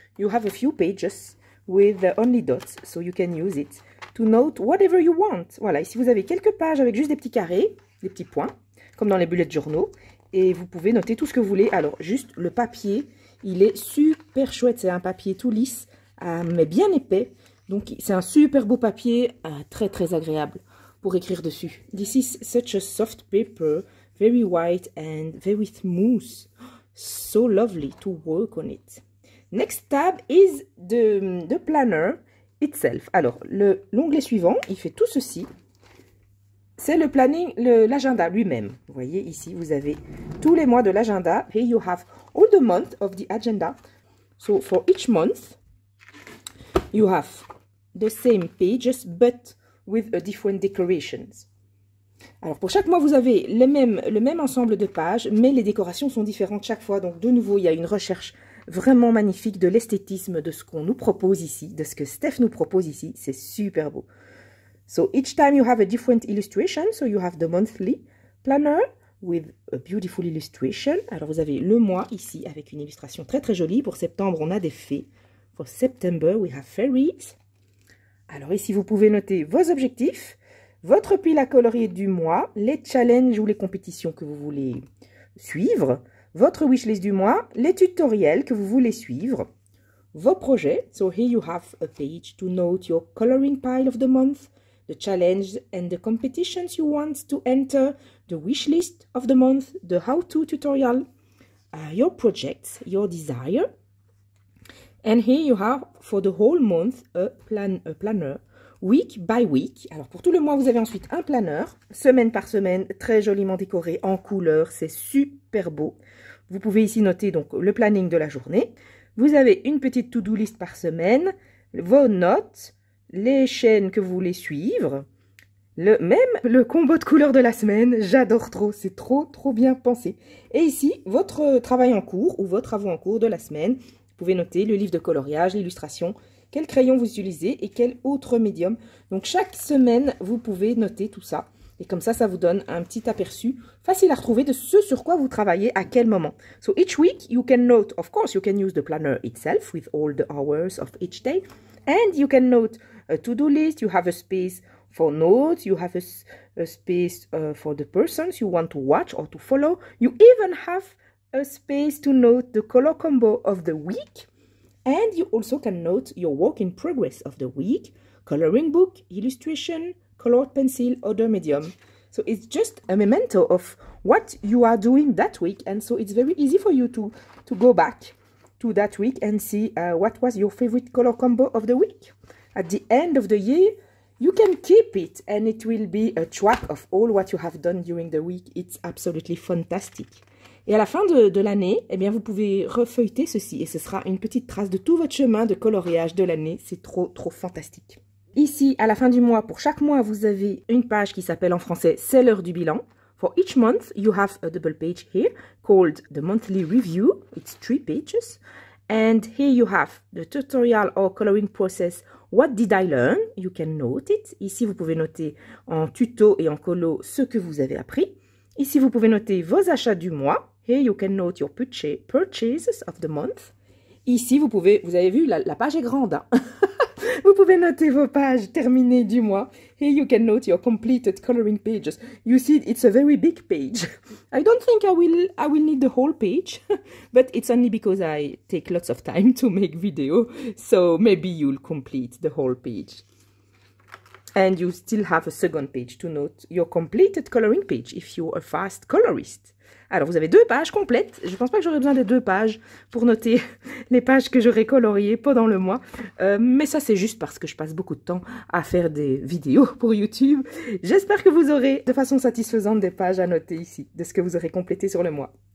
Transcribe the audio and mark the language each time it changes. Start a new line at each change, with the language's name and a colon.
English: You have a few pages with only dots, so you can use it to note whatever you want.
French: Voilà, ici vous avez quelques pages avec juste des petits carrés, des petits points. Comme dans les bullets journaux. Et vous pouvez noter tout ce que vous voulez. Alors, juste le papier, il est super chouette. C'est un papier tout lisse, mais bien épais. Donc, c'est un super beau papier, très agréable pour écrire dessus.
English: This is such a soft paper, very white and very smooth. So lovely to work on it. Next tab is the planner itself.
French: Alors, l'onglet suivant, il fait tout ceci. C'est le planning, l'agenda lui-même. Vous voyez ici, vous avez tous les mois de l'agenda.
English: Here you have all the month of the agenda. So for each month, you have the same pages, but with a different decorations.
French: Alors pour chaque mois, vous avez le même ensemble de pages, mais les décorations sont différentes chaque fois. Donc de nouveau, il y a une recherche vraiment magnifique de l'esthétisme, de ce qu'on nous propose ici, de ce que Steph nous propose ici. C'est super beau.
English: So each time you have a different illustration, so you have the monthly planner with a beautiful illustration.
French: Alors vous avez le mois ici avec une illustration très jolie. Pour septembre, on a des fées.
English: For September, we have fairies.
French: Alors ici, vous pouvez noter vos objectifs, votre pile à colorier du mois, les challenges ou les compétitions que vous voulez suivre, votre wishlist du mois, les tutoriels que vous voulez suivre, vos projets.
English: So here you have a page to note your coloring pile of the month. the challenges and the competitions you want to enter, the wish list of the month, the how-to tutorial, your projects, your desire. And here you have for the whole month a planner, week by week.
French: Alors pour tout le mois, vous avez ensuite un planner, semaine par semaine, très joliment décoré en couleur, c'est super beau. Vous pouvez ici noter donc le planning de la journée. Vous avez une petite to-do list par semaine, vos notes, les chaînes que vous voulez suivre, même le combo de couleurs de la semaine. J'adore trop, c'est trop trop bien pensé. Et ici, votre travail en cours ou vos travaux en cours de la semaine. Vous pouvez noter le livre de coloriage, l'illustration, quel crayon vous utilisez et quel autre médium. Donc chaque semaine, vous pouvez noter tout ça. Et comme ça, ça vous donne un petit aperçu facile à retrouver de ce sur quoi vous travaillez à quel moment.
English: So each week, you can note, of course, you can use the planner itself with all the hours of each day. And you can note a to-do list, you have a space for notes, you have a space for the persons you want to watch or to follow. You even have a space to note the color combo of the week. And you also can note your work in progress of the week, coloring book, illustration, colored pencil, other medium. So it's just a memento of what you are doing that week. And so it's very easy for you to go back to that week and see what was your favorite color combo of the week. At the end of the year, you can keep it and it will be a track of all what you have done during the week. It's absolutely fantastic.
French: Et à la fin de l'année, eh bien, vous pouvez refeuilleter ceci et ce sera une petite trace de tout votre chemin de coloriage de l'année. C'est trop, trop fantastique. Ici, à la fin du mois, pour chaque mois, vous avez une page qui s'appelle en français « C'est l'heure du bilan ».
English: For each month, you have a double page here called the monthly review. It's three pages. And here you have the tutorial or coloring process. What did I learn? You can note it.
French: Ici, vous pouvez noter en tuto et en colo ce que vous avez appris. Ici, vous pouvez noter vos achats du mois.
English: Here you can note your purchases of the month.
French: Ici, vous avez vu, la page est grande. Vous pouvez noter vos pages terminées du mois.
English: Here you can note your completed coloring pages. You see, it's a very big page. I don't think I will need the whole page, but it's only because I take lots of time to make video. So maybe you'll complete the whole page. And you still have a second page to note your completed coloring page if you're a fast colorist.
French: Alors, vous avez deux pages complètes. Je ne pense pas que j'aurais besoin des deux pages pour noter les pages que j'aurais coloriées pendant le mois. Mais ça, c'est juste parce que je passe beaucoup de temps à faire des vidéos pour YouTube. J'espère que vous aurez de façon satisfaisante des pages à noter ici, de ce que vous aurez complété sur le mois.